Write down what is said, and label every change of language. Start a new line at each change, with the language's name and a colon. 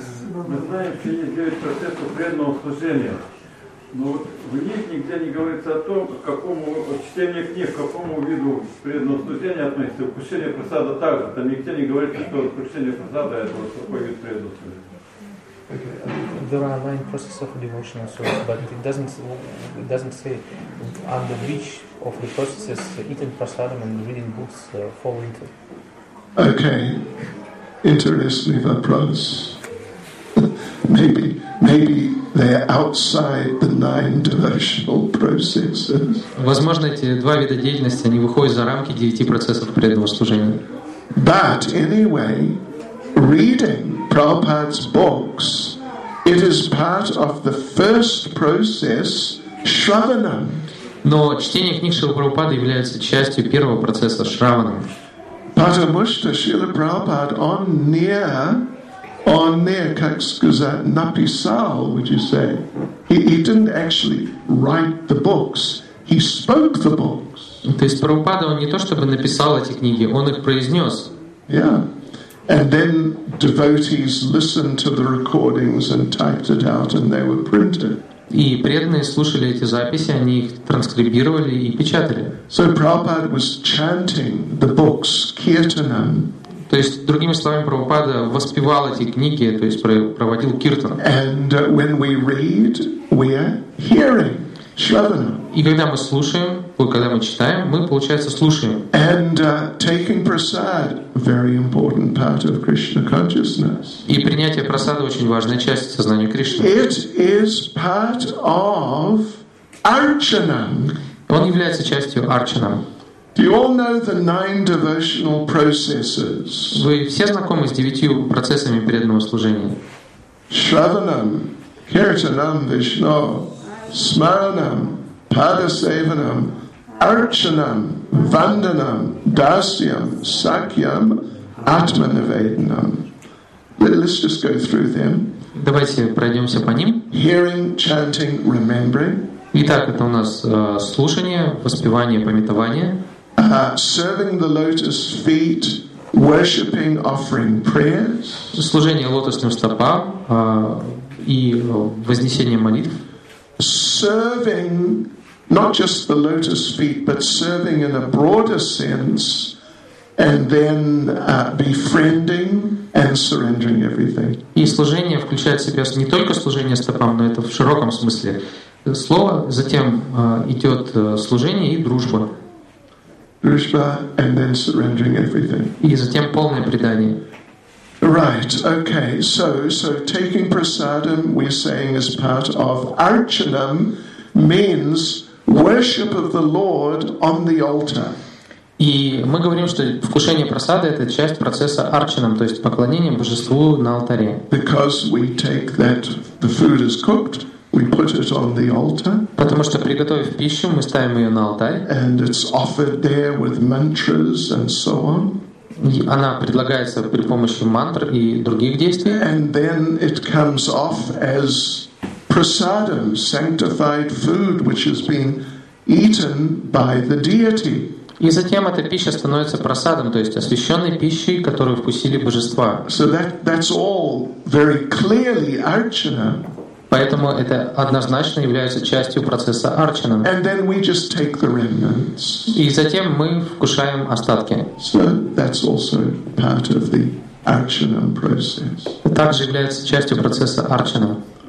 Russian: Вы знаете, есть 9% преданного служения. Но в них нигде не говорится о том, к какому чтению книг, к какому виду преданного служения относится. Кушение просада также. Там нигде не говорится, что кушение просада это вот такой вид преданного служения.
English: There are 9 processes of devotion also, but it doesn't say under which of the processes eating prasadam and reading books fall into. Okay, interesting vapras. Maybe they are outside the 9 devotional processes.
Russian: Возможно, эти два вида деятельности они выходят за рамки 9 процессов преданного служения.
English: But anyway, reading Prabhupada's books, it is part of the first process, shravanam.
Russian: Но чтение книг Шрилы Прабхупады является частью первого процесса шраванам. Потому что Шрила Прабхупада он не, как сказать, написал,
English: would you say? He didn't actually write the books. He spoke the books.
Russian: То есть Прабхупада он не то чтобы написал эти книги, он их произнес.
English: Yeah. And then devotees listened to the recordings and typed it out, and they were printed.
Russian: И преданные слушали эти записи, они их транскрибировали и печатали.
English: So Prabhupada was chanting the books, kirtanam.
Russian: То есть другими словами, Прабхупада воспевал эти книги, то есть проводил киртан.
English: And when we read, we are hearing shravanam.
Russian: И когда мы слушаем, когда мы читаем, мы, получается, слушаем.
English: And taking prasad, very important part of Krishna consciousness.
Russian: И принятие прасада очень важная часть сознания Кришны.
English: It is part of archanam.
Russian: Он является частью арчанам.
English: Do you all know the 9 devotional processes?
Russian: Вы все знакомы с 9 процессами преданного служения?
Sanskrit: Shravanam, kirtanam, vishno, smaranam, padasevanam, archanam, vandanam, dasyam, sakyam, atmanivedanam.
English: Let's just go through them.
Russian: Давайте пройдемся по ним.
English: Hearing, chanting, remembering.
Russian: Итак, это у нас слушание, воспевание, памятование.
English: Serving the lotus feet, worshipping, offering prayers.
Russian: Служение лотосным стопам и вознесение молитв.
English: Serving not just the lotus feet, but serving in a broader sense, and then befriending and surrendering everything.
Russian: И служение включает в себя не только служение стопам, но это в широком смысле слова. Затем идет служение и дружба. Дружба,
English: and then surrendering everything.
Russian: И затем полное предание.
English: Right. Okay. So taking prasadam, we're saying is part of archanam, means worship of the Lord on the altar.
Russian: И мы говорим, что вкушение прасады это часть процесса арчанам, то есть поклонение божеству на алтаре.
English: Because we take that the food is cooked, we put it on the altar.
Russian: Потому что приготовив пищу, мы ставим ее на алтарь.
English: And it's offered there with mantras and so on.
Russian: Она предлагается при помощи мантр и других действий.
English: And then it comes off as prasadam, sanctified food, which has been eaten by the deity.
Russian: И затем эта пища становится просадом, то есть освященной пищей, которую вкусили божества.
English: So that's all very clearly archana.
Russian: Поэтому это однозначно является частью процесса арчана.
English: And then we just take the remnants.
Russian: И затем мы вкушаем остатки.
English: So that's also part of the archana process.
Russian: Это также является частью процесса арчана.